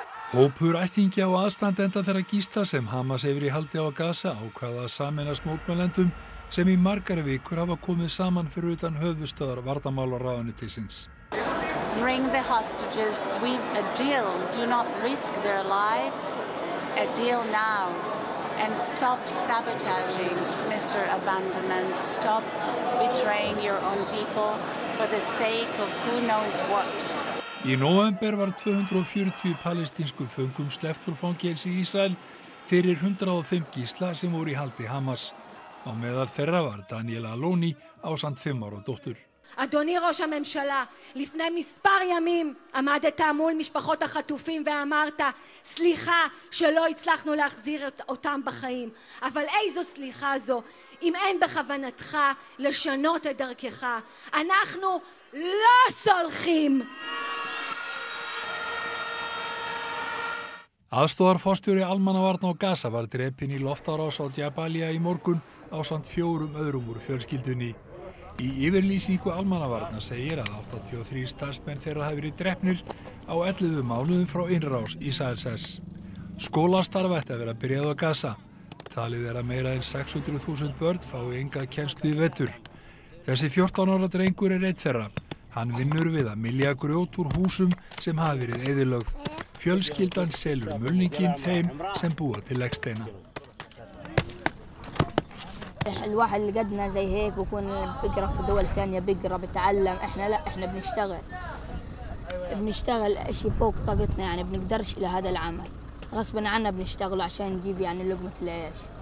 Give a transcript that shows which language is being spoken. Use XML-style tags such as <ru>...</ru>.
<is>Hópur ættingja og aðstandenda þeirra gísla sem Hamas hefur í haldi á Gaza ákvaða sameinast mótmælendum sem í margar vikur hafa komið saman fyrir utan höfuðstöðar varnarmálaráðuneytisins.</is> <en>Bring the hostages with a deal. Do not risk their lives. A deal now. And stop sabotaging, Mr. Abandonment. Stop betraying your own people for the sake of who knows what.</en> <is>Í nóvember var 240 palestínsku föngum sleppt úr fangelsi í Ísrael fyrir 105 gísla sem voru í haldi Hamas. Á meðal þeirra var Daniel Aloni ásamt 5 ára dóttur.</is> <he>אדוני ראש הממשלה, לפני מספר ימים עמדת מול משפחות החטופים ואמרת סליחה שלא הצלחנו להחזיר אותם בחיים. אבל איזו סליחה זו, אם אין בכוונתך לשנות את דרכך, אנחנו לא סולחים.</he> <is>Aðstoðar forstjóri almannavarna á Gaza var drepinn í loftárás á Jabalia í morgun ásamt 4 öðrum úr fjölskyldunni. Í yfirlýsingu almannavarna segir að 83 starfsmenn þeirra hafi verið drepnir á 11 mánuðum frá innrás Ísraelshers. Skólastarf ætti að vera byrjað á Gaza. Talið er að meira en 600.000 börn fái enga kennslu í vetur. Þessi 14 ára drengur er einn þeirra. Hann vinnur við að mylja grjót úr húsum sem hafi verið eyðilögð. Fjölskyldan selur mulninginn þeim sem búa til legsteina.</is> <ar>الواحد اللي قدنا زي هيك بكون بيقرا في دول ثانيه بيقرا بيتعلم احنا لا احنا بنشتغل اشي فوق طاقتنا يعني بنقدرش الى هذا العمل غصب عنا بنشتغل عشان نجيب يعني لقمه العيش</ar>